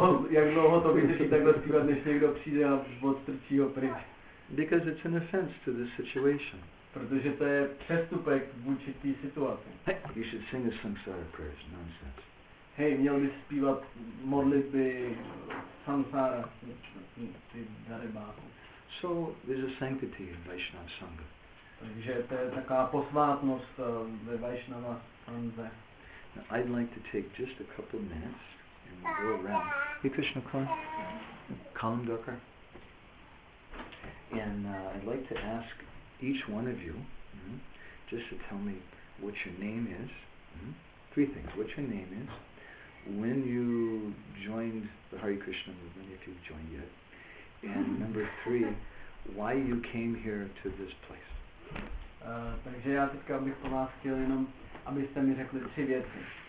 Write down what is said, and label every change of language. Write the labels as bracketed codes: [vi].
[cs] jak dlouho to vydrží takhle zpívat, než někdo přijde a odstrčí ho pryč? [en] Because it's an offense to the situation. [cs] Protože to je přestupek vůči té situaci. [en] Hey, you should sing a samsara prayers, nonsense. [cs] Hey, měl bys zpívat modlitby samsara, ty darebáku. [en] So, there's a sanctity in Vaishnava Sangha. [cs] Takže to je taká posvátnost ve Vaishnava Sangha. [en] Now, I'd like to take just a couple minutes and go around. Hey, Krishna Kaur. Kalam Dukar. And I'd like to ask each one of you just to tell me what your name is. Three things. What your name is, when you joined the Hare Krishna movement, if you've joined yet. And number three, why you came here to this place. [cs] Takže já teďka bych po vás chtěl jenom abyste mi řekli tři věci.